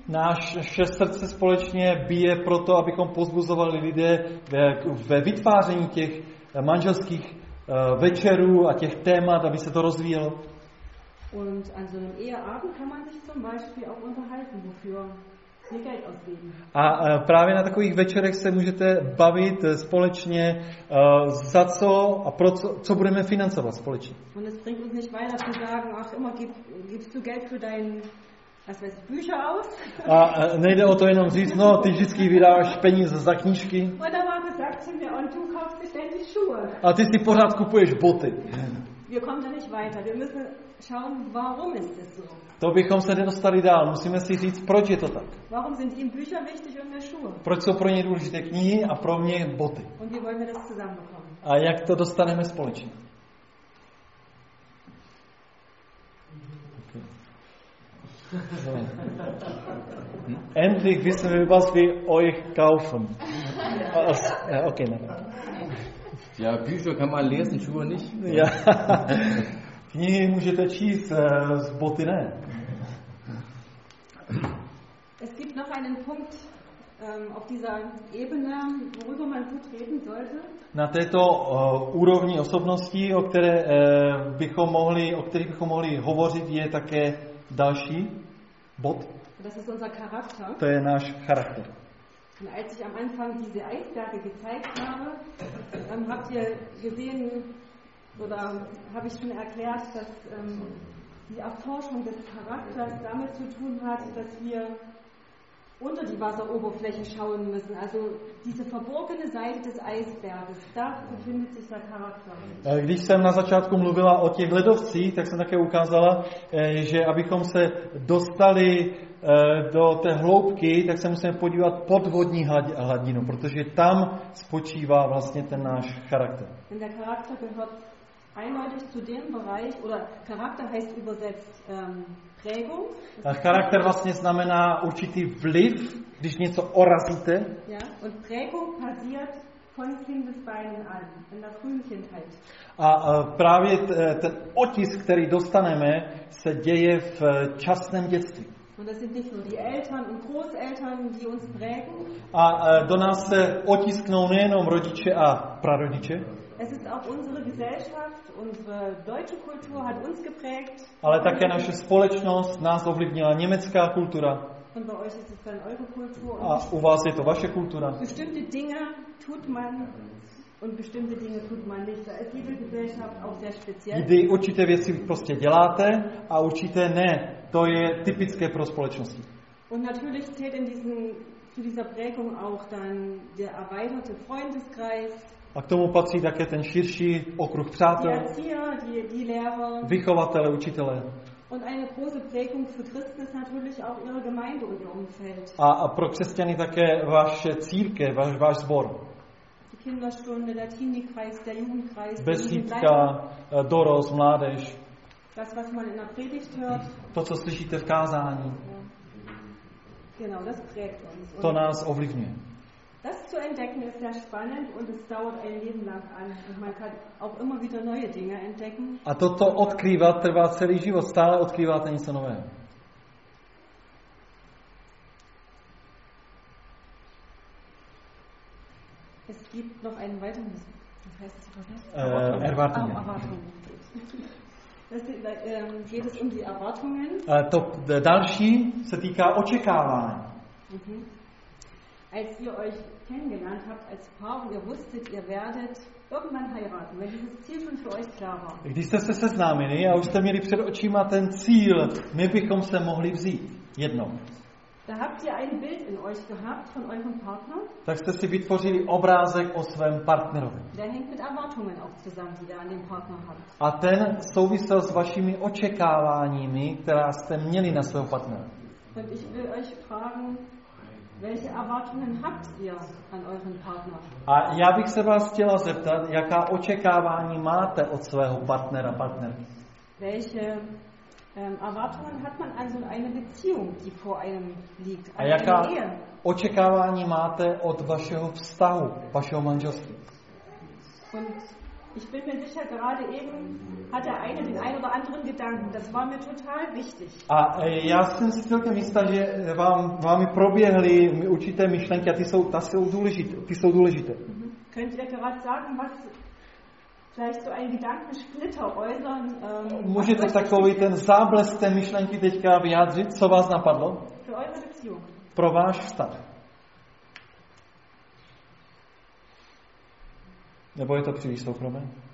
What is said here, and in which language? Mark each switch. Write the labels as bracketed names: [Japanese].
[Czech] Naše srdce společně bije proto, abychom pozbuzovali lidé ve vytváření těch manželských večerů a těch témat, aby se to rozvíjelo. [German] Und an so einem Eheabend kann man sich zum Beispiel auch unterhalten, wofür wir Geld ausgeben. [Czech] A právě na takových večerech se můžete bavit společně, za co a pro co budeme financovat společně. [German] Und es bringt uns nicht weiter zu sagen, ach immer gibst du Geld für dein, was weiß ich, Bücher aus. [Czech] A nejde o to jenom říct, no, ty vždycky vydáš peníze za knížky. [German] Und dann haben wir gesagt zu mir, und du kaufst dir ständig Schuhe. [Czech] A ty si pořád kupuješ boty. [German] Wir kommen da nicht weiter, wir müssen schauen, warum ist es so? [Czech] To bychom se nedostali dál. Musíme si říct, proč je to tak. [German] Warum sind ihm Bücher wichtig und mir Schuhe? [Czech] Proč jsou pro ně důležité knihy a pro mě boty? [German] Und wie wollen wir das zusammenbekommen? [Czech] A jak to dostaneme společně? Okay. [German] Endlich wissen wir, was wir euch kaufen. Okay, nein. Ja, Bücher kann man lesen, Schuhe nicht. Ja. [Czech] Knihy můžete číst, z boty ne. [German] Es gibt noch einen Punkt auf dieser Ebene, worüber man gut reden sollte. [Czech] Na této úrovni osobnosti, o které bychom mohli, o kterých bychom mohli hovořit, je také další bod. [German] Das ist unser Charakter. [Czech] To je náš charakter. [German] Und als ich am Anfang diese Eisberge gezeigt habe, habt ihr gesehen oder habe ich schon erklärt, dass die Erforschung des Charakters damit zu tun hat, dass wir unter die Wasseroberfläche schauen müssen. Also diese verborgene Seite des Eisberges, da befindet sich der Charakter. [Czech] Když jsem na začátku mluvila o těch ledovcích, tak jsem také ukázala, že abychom se dostali do té hloubky, tak se musíme podívat pod vodní hladinu, protože tam spočívá vlastně ten náš charakter. [German] Denn der Charakter gehört eindeutig zu dem Bereich, oder Charakter heißt übersetzt Prägung. [Czech] A charakter vlastně znamená určitý vliv, když něco orazíte. [German] Ja, und Prägung passiert von Kindesbeinen an, in der frühen Kindheit. [Czech] A právě ten otisk, který dostaneme, se děje v časném dětství. [German] Und das sind nicht nur die Eltern und Großeltern, die uns prägen. [Czech] A do nás se otisknou nejenom rodiče a prarodiče. [German] Es ist auch unsere Gesellschaft, unsere deutsche Kultur hat uns geprägt. [Czech] Ale také naše společnost, nás ovlivnila německá kultura. [German] Und bei euch ist es dann eure Kultur. [Czech] A u vás je to vaše kultura. [German] Bestimmte Dinge tut man und bestimmte Dinge tut man nicht. Da ist jede Gesellschaft auch sehr speziell. [Czech] Kdy určité věci prostě děláte a určité ne. To je typické pro společnosti. [German] Und natürlich zählt in diesen zu dieser Prägung auch dann der erweiterte Freundeskreis. [Czech] A k tomu patří také ten širší okruh přátel. [German] Die Lehrer. [Czech] Vychovatele, učitele. [German] Und eine große Prägung für Christen ist natürlich auch ihre Gemeinde und ihr Umfeld. [Czech] A pro křesťany také vaše církev, váš sbor. [German] Die Kinderstunde, der Teenie-Kreis, der Jugendkreis. [Czech] Besídka, dorost, mládež. [German] Das, was man in der Predigt hört. [Czech] To, co slyšíte v kázání. [German] Ja. Genau, das prägt uns. [Czech] To nás ovlivňuje. [German] Das zu entdecken ist sehr spannend und es dauert ein Leben lang an. Und man kann auch immer wieder neue Dinge entdecken. [Czech] A toto odkrývat trvá celý život. Stále odkrýváte něco nového. [German] Es gibt noch einen weiteren. Das heißt, Erwartungen. Geht es um die Erwartungen? [Czech] To další se týká očekávání. [German] Als ihr euch kennengelernt habt als Paar und ihr wusstet, ihr werdet irgendwann heiraten, wenn dieses Ziel schon für euch klar war. [Czech] Když jste se seznámili a už jste měli před očima ten cíl, my bychom se mohli vzít jednou. [German] Da habt ihr ein Bild in euch gehabt von eurem Partner? [Czech] Tak jste si vytvořili obrázek o svém partnerovi. [German] Der hängt mit Erwartungen auch zusammen, die ihr an den Partner habt. [Czech] A ten souvisel s vašimi očekáváními, která jste měli na svého partnera. [German] Und ich will euch fragen, Welche Erwartungen habt ihr an euren Partner? [Czech] A já bych se vás chtěla zeptat, jaká očekávání máte od svého partnera, partnerky? [German] Welche Erwartungen hat man an so eine Beziehung, die vor einem liegt? [Czech] A jaká očekávání máte od vašeho vztahu, vašeho manželství? [German] Ich bin mir sicher, gerade eben hat der eine den einen oder anderen Gedanken. Das war mir total wichtig. [Czech] A já jsem si celkem jistá, že vám proběhly určité myšlenky a ty jsou důležité. Mm-hmm. [German] Könnt ihr gerade sagen, was vielleicht so ein Gedankensplitter äußern? [Czech] Můžete takový ten záblesk té myšlenky teďka vyjádřit, co vás napadlo? [German] Für eure Beziehung. [Czech] Pro váš vztah. Nebo je to příliš soukromé?